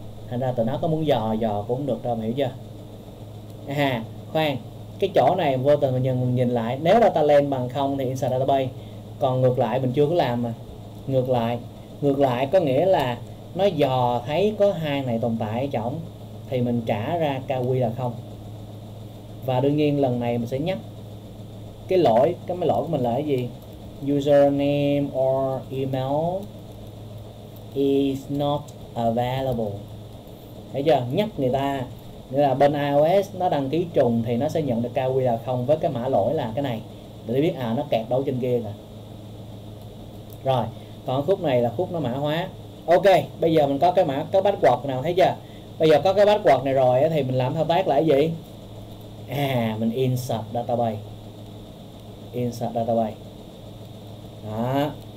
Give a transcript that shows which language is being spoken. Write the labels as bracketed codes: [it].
[vi] Thành ra tụi nó có muốn dò dò cũng được đâu, hiểu chưa? À khoan, cái chỗ này vô tình mình nhìn lại, nếu data lên bằng 0 thì inside database, còn ngược lại mình chưa có làm mà. Ngược lại có nghĩa là nó dò thấy có hai này tồn tại ở trong thì mình trả ra KQ là 0. Và đương nhiên lần này mình sẽ nhắc cái lỗi của mình là cái gì? [en] Username or email is not available. [vi] Thấy chưa? Nhắc người ta nghĩa là bên iOS nó đăng ký trùng thì nó sẽ nhận được KQ là 0 với cái mã lỗi là cái này, để biết à nó kẹt đâu trên kia nè. Rồi còn khúc này là khúc nó mã hóa. Ok bây giờ mình có cái mã, cái password nào, thấy chưa? Bây giờ có cái password này rồi thì mình làm thao tác là cái gì? À mình insert database đó.